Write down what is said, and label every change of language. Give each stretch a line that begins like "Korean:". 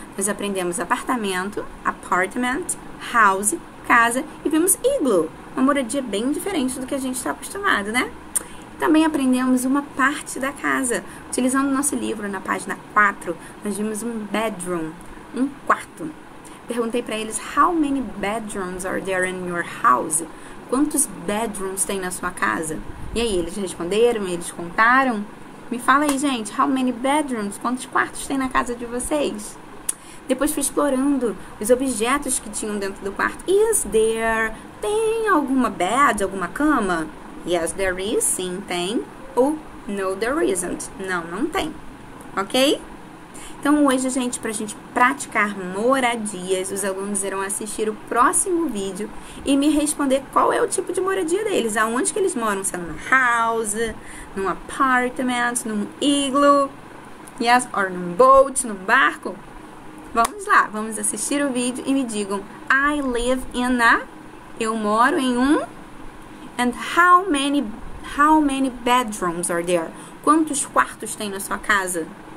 Portuguese: Nós aprendemos apartamento, apartment, house, casa e vimos igloo, uma moradia bem diferente do que a gente está acostumado, né? Também aprendemos uma parte da casa. Utilizando o nosso livro, na página 4, nós vimos um bedroom, um quarto. Perguntei para eles:
English: How many bedrooms are there in your house?
Portuguese: Quantos bedrooms tem na sua casa? E aí, eles responderam, eles contaram. Me fala aí, gente,
English: how many bedrooms?
Portuguese: Quantos quartos tem na casa de vocês? Depois fui explorando os objetos que tinham dentro do quarto.
English: Is there?
Portuguese: Tem alguma
English: bed,
Portuguese: alguma cama?
English: Yes, there is.
Portuguese: Sim, tem. Ou
English: no, there isn't.
Portuguese: Não, não tem. Ok? Então, hoje, gente, para a gente praticar moradias, os alunos irão assistir o próximo vídeo e me responder qual é o tipo de moradia deles, aonde que eles moram, se é numa house, num apartment, num iglu, yes, or num boat, num barco. Vamos lá, vamos assistir o vídeo e me digam:
English: I live in a.
Portuguese: Eu moro em um.
English: And how many bedrooms are there?
Portuguese: Quantos quartos tem na sua casa?